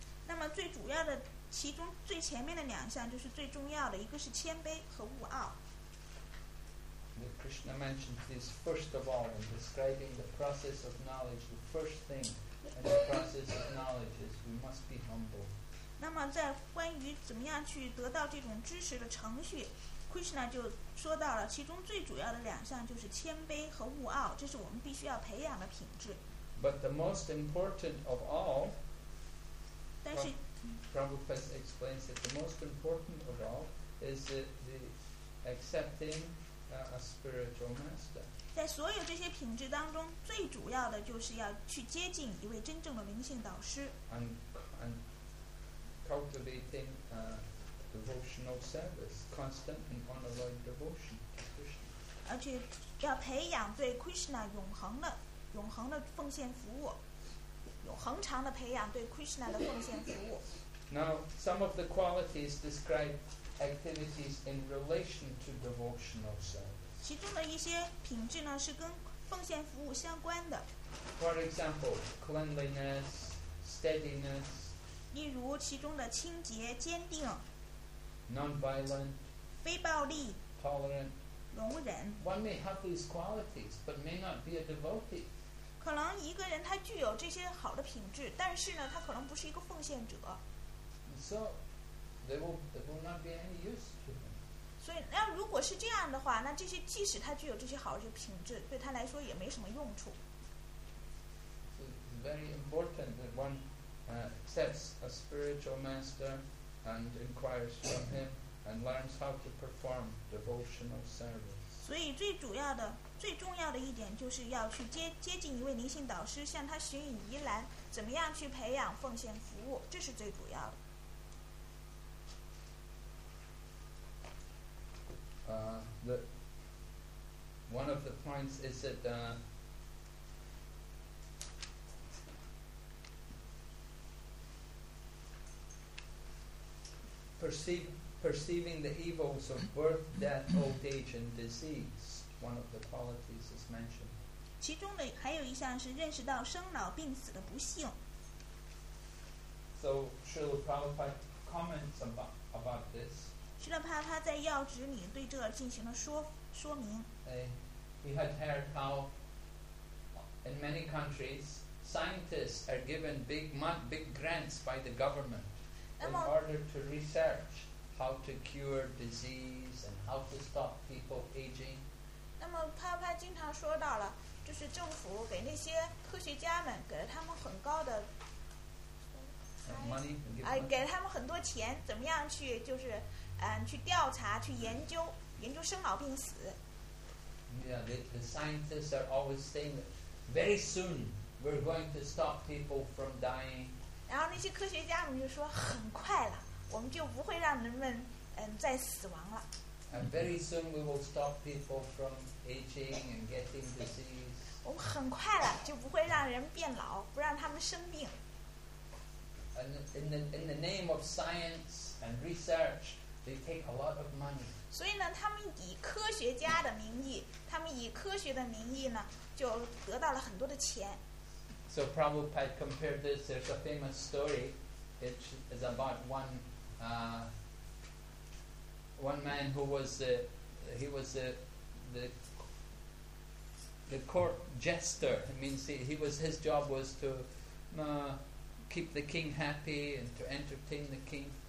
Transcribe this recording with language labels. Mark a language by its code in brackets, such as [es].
[zh] 那么最主要的，其中最前面的两项就是最重要的，一个是谦卑和无傲。 [en] Krishna mentions this first of all in describing the process of knowledge. The first thing in the process of knowledge is we must be humble. [zh] 那么在关于怎么样去得到这种知识的程序， Krishna 就说到了其中最主要的两项就是谦卑和无傲，这是我们必须要培养的品质。 [en] But the most important of all, [zh] 但是, [en] Prabhupada explains that the most important of all is the accepting a spiritual master. [zh] 在所有这些品质当中，最主要的就是要去接近一位真正的灵性导师。 [en] And and cultivating devotional service, constant and unalloyed devotion to Krishna. [zh] 而且要培养对 Krishna 永恒的奉献服务，永恒长的培养对 Krishna 的奉献服务。 [en] Now, some of the qualities describe activities in relation to devotional service. [zh] 其中的一些品质呢，是跟奉献服务相关的。 [en] For example, cleanliness, steadiness. [zh] 例如其中的清洁、坚定。 [en] Non-violent. [zh] 非暴力。 [en] Tolerant. [zh] 容忍。 [en] One may have these qualities, but may not be a devotee. [zh] 可能一个人他具有这些好的品质，但是呢，他可能不是一个奉献者。 [en] So, there will not be any use to him. [zh] 所以，那如果是这样的话，那这些即使他具有这些好的品质，对他来说也没什么用处。 [en] So, it's very important that one accepts a spiritual master and inquires from him. And learns how to perform devotional service. [zh] 所以最主要的、最重要的一点就是要去接近一位灵性导师，向他寻隐宜兰，怎么样去培养奉献服务，这是最主要的。 [en] The one of the points is that perceiving the evils of birth, death, old age, and disease. One of the qualities is mentioned. [zh] 其中的还有一项是认识到生老病死的不幸。 [en] So Srila Prabhupada comments about this. [zh] Srila Prabhupada 在要旨里对这进行了说明。 [en] He had heard how in many countries scientists are given big grants by the government in order to research. How to cure disease and how to stop people aging. [zh] 那么帕帕经常说到了，就是政府给那些科学家们给了他们很高的 [en] money, [zh] 给了他们很多钱，怎么样去就是去调查、去研究研究生老病死。 [en] Yeah, the scientists are always saying that very soon we're going to stop people from dying. [zh] 然后那些科学家们就说很快了。我们就不会让人们再死亡了。 [en] And very soon we will stop people from aging and getting disease. [zh] 我们很快了就不会让人变老，不让他们生病。 [en] And in the name of science and research, they take a lot of money. [zh] 所以呢，他们以科学家的名义，他们以科学的名义呢，就得到了很多的钱。 [en] So Prabhupada compared this. There's a famous story. It is about one man who was the court jester. It means he was his job was to keep the king happy and to entertain the king.